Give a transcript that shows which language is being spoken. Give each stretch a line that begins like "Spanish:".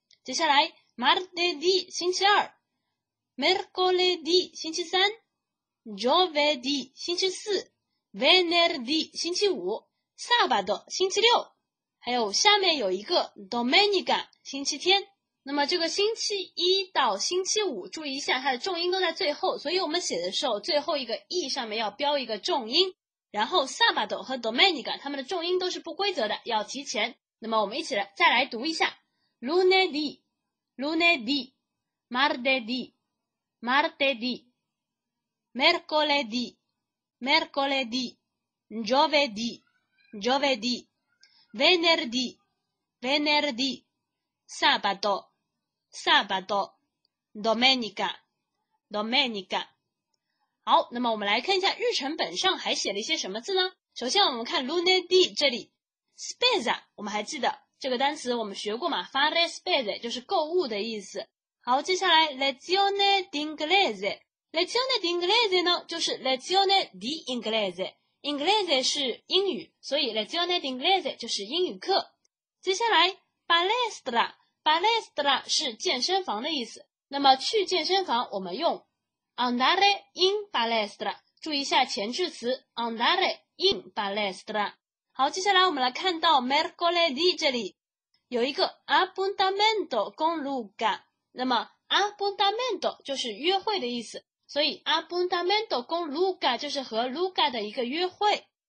Chinese: 接下来 martedì 星期二， mercoledì 星期三， giovedì 星期四， venerdì 星期五， sabato 星期六，还有下面有一个 domenica 星期天。那么这个星期一到星期五，注意一下它的重音都在最后，所以我们写的时候最后一个 e 上面要标一个重音，然后 sabato 和 domenica 它们的重音都是不规则的，要提前。那么我们一起来再来读一下
Italian: lunedì lunedì martedì martedì mercoledì mercoledì giovedì giovedì venerdì venerdì sabato sabato domenica domenica。
Chinese: 好，那么我们来看一下日程本上还写了一些什么字呢？首先我们看 lunedì 这里 spesa， 我们还记得这个单词我们学过吗？
Italian: fare spese
Chinese: 就是购物的意思。好，接下来
Italian: lezione d'inglese，
Chinese: lezione d'inglese 呢就是
Italian: lezione di inglese，
Chinese: inglese 是英语，所以 lezione d'inglese 就是英语课。接下来 palestra， palestra 是健身房的意思，那么去健身房我们用
Italian: andare in palestra，
Chinese: 注意一下前置词 andare in palestra。好，接下来我们来看到 mercoledì 这里有一个
Italian: appuntamento con Luca，
Chinese: 那么 appuntamento 就是约会的意思，所以 appuntamento con Luca 就是和 Luca 的一个约会。